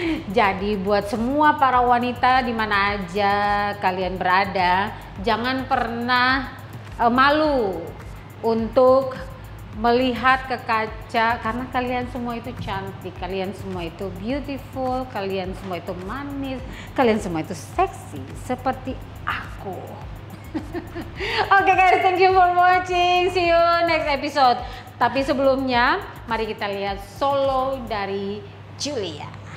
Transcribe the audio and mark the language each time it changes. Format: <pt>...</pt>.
<id>Jadi buat semua para wanita di mana aja kalian berada, jangan pernah malu untuk melihat ke kaca, karena kalian semua itu cantik, kalian semua itu beautiful, kalian semua itu manis, kalian semua itu seksi, seperti aku.</id> <en>Oke okay guys, thank you for watching, see you next episode.</en> <id>Tapi sebelumnya, mari kita lihat solo dari Julia.</id>